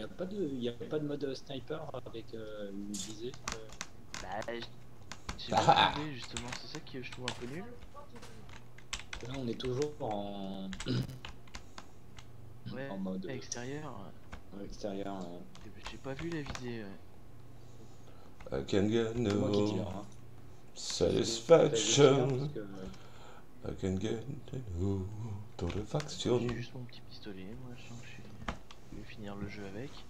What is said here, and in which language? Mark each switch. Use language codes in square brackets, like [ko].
[fr] Y a pas de mode sniper avec une visée. J'ai pas trouvé justement, c'est ça que je trouve un peu nul. Là on est toujours en... Ouais, en mode... extérieur. En extérieur, ouais. J'ai pas vu la visée, ouais. [en] I can get no satisfaction. I can get no satisfaction. [fr] J'ai juste mon petit pistolet, moi je sens que je vais finir le jeu avec.